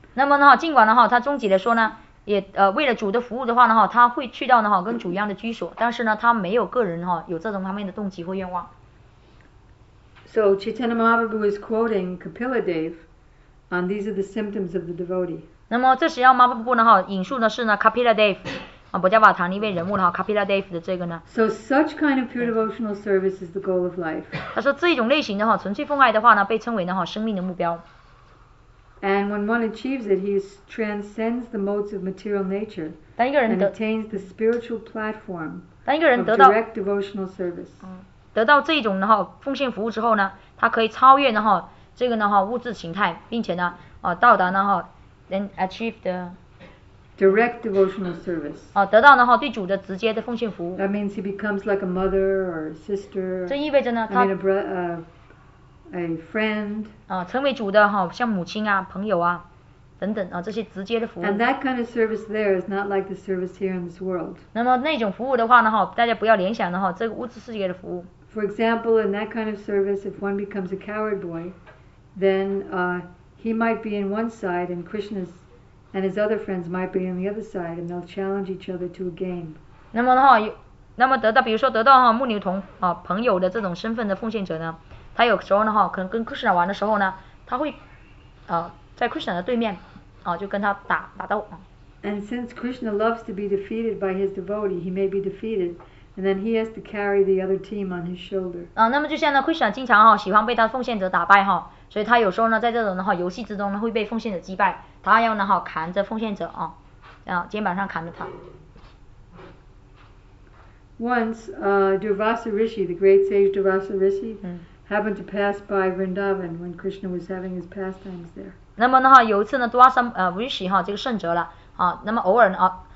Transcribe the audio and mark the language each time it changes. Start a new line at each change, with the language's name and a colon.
Chinese: 那么呢哈，尽管呢哈，他终极的说呢，也为了主的服务的话呢哈，他会去到呢哈跟主一样的居所，但是呢，他没有个人哈有这种方面的动机或愿望。
English: So Chaitanya Mahaprabhu is quoting Kapila Dev, and these are the symptoms of the devotee.
Chinese: 那么这时要马布布呢哈引述的是呢 Kapila Dev。啊，博迦瓦坛里面人物哈 ，Kapila Dev 的这个呢
English: ？So such kind of pure devotional service is the goal of life.
Chinese: 他说这一种类型的哈，纯粹奉爱的话呢，被称为呢哈生命的目标。
English: And when one achieves it, he transcends the modes of material nature.
Chinese: 当一个人得
English: ，and attains the spiritual platform.
Chinese: 当一个人得到
English: ，direct devotional service.
Chinese: 得到这一种呢哈奉献服务之后呢，他可以超越呢哈这个呢哈物质形态，并且呢啊到达呢哈 ，
English: then achieve the。 Direct devotional service.
Chinese: 啊，得到呢哈对主的直接的奉献服务。
English: That means he becomes like a mother or a sister.
Chinese: 这意味着呢，他
English: I mean a friend.
Chinese: 啊，成为主的哈，像母亲啊、朋友啊，等等啊，这些直接的服务。
English: And that kind of service there is not like the service here in this world.
Chinese: 那么那种服务的话呢哈，大家不要联想的哈，这个物质世界的服务。
English: For example, in that kind of service, if one becomes a coward boy, then he might be in one side and Krishna's. And his other friends might be on the other side, and they'll challenge each other to a game.
Chinese: 那么的话，那么得到，比如说得到哈牧牛童啊朋友的这种身份的奉献者呢，他有时候呢哈，可能跟 Krishna 玩的时候呢，他会在 Krishna 的对面啊就跟他打斗啊。
English: And since Krishna loves to be defeated by his devotee, he may be defeated, And then he has to carry the other team on his shoulder.
Chinese: 那么就像呢，会长经常哈喜欢被他奉献者打败哈，所以他有时候呢，在这种的哈游戏之中呢，会被奉献者击败，他要呢哈扛着奉献者啊，肩膀上扛着他。
English: Once, Durvasa Rishi, the great sage Durvasa Rishi, happened to pass by Vrindavan when Krishna was having his pastimes there.
Chinese: 那么呢哈，有一次呢，多阿三Rishi 哈这个圣哲了啊，那么偶尔呢啊。